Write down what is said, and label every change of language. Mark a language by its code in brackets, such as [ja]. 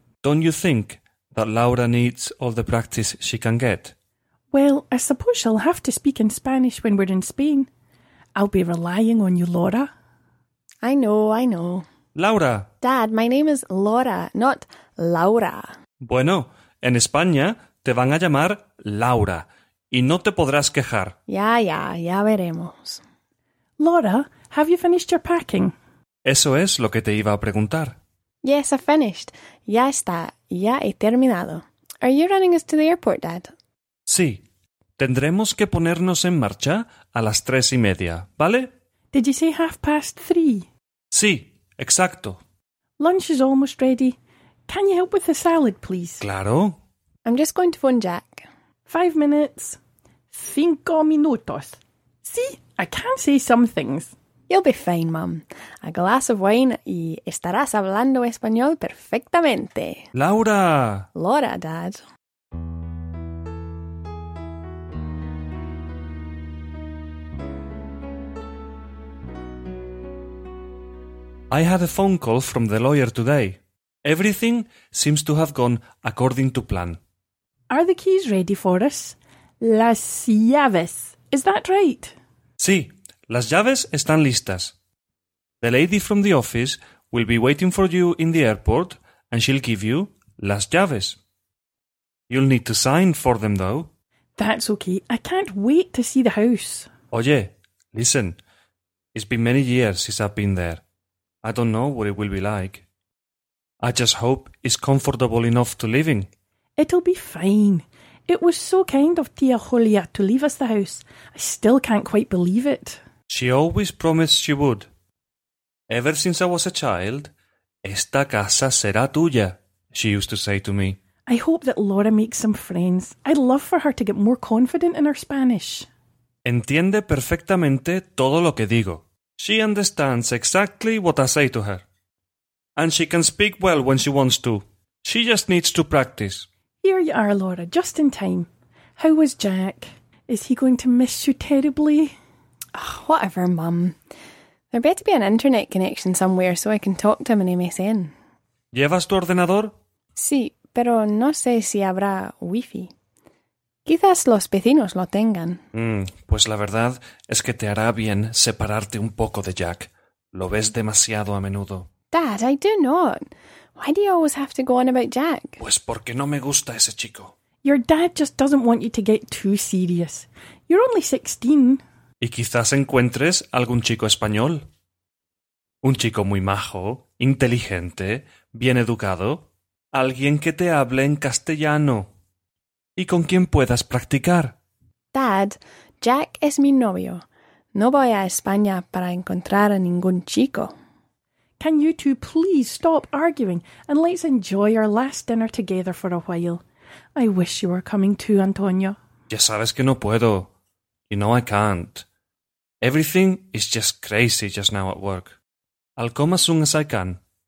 [en] Don't you think that Laura needs all the practice she can get? Well, I suppose she'll have to speak in Spanish when we're in Spain. I'll be relying on you, Laura. I know, I know. Laura. Dad, my name is Laura, not Laura. [es] Bueno, en España te van a llamar Laura y no te podrás quejar. Ya, ya, ya veremos. [en] Laura, have you finished your packing? [es] Eso es lo que te iba a preguntar. [en] Yes, I finished. [es] Ya está, ya he terminado. [en] Are you running us to the airport, Dad? [es] Sí. Tendremos que ponernos en marcha a las 3:30, ¿vale? [en] Did you say 3:30? [es] Sí, exacto. [en] Lunch is almost ready. Can you help with the salad, please? [es] Claro. [en] I'm just going to phone Jack. 5 minutes. [es] 5 minutos. [en] See, I can say some things. You'll be fine, Mum. A glass of wine [es] y estarás hablando español perfectamente. [en] Laura. Laura, Dad. I had a phone call from the lawyer today. Everything seems to have gone according to plan. Are the keys ready for us? [es] Las llaves. [en] Is that right? [es] Sí, las llaves están listas. [en] The lady from the office will be waiting for you in the airport and she'll give you [es] las llaves. [en] You'll need to sign for them, though. That's okay. I can't wait to see the house. Oye, listen. It's been many years since I've been there. I don't know what it will be like. I just hope it's comfortable enough to live in. It'll be fine. It was so kind of Tia Julia to leave us the house. I still can't quite believe it. She always promised she would. Ever since I was a child, [es] esta casa será tuya, [en] she used to say to me. I hope that Laura makes some friends. I'd love for her to get more confident in her Spanish. [es] Entiende perfectamente todo lo que digo. [en] She understands exactly what I say to her. And she can speak well when she wants to. She just needs to practice. Here you are, Laura, just in time. How was Jack? Is he going to miss you terribly? Oh, whatever, Mum. There better be an internet connection somewhere so I can talk to him on MSN. [es] ¿Llevas tu ordenador? Sí, pero no sé si habrá wifi. Quizás los vecinos lo tengan. Pues la verdad es que te hará bien separarte un poco de Jack. Lo ves demasiado a menudo. [en] Dad, I do not. Why do you always have to go on about Jack? [es] Pues porque no me gusta ese chico. [en] Your dad just doesn't want you to get too serious. You're only 16. [es] Y quizás encuentres algún chico español. Un chico muy majo, inteligente, bien educado. Alguien que te hable en castellano. Y con quien puedas practicar. Dad, Jack es mi novio. No voy a España para encontrar a ningún chico. [en] Can you two please stop arguing and let's enjoy our last dinner together for a while? I wish you were coming too, Antonio. [es] Ya sabes que no puedo. [en] You know I can't. Everything is just crazy just now at work. I'll come as soon as I can.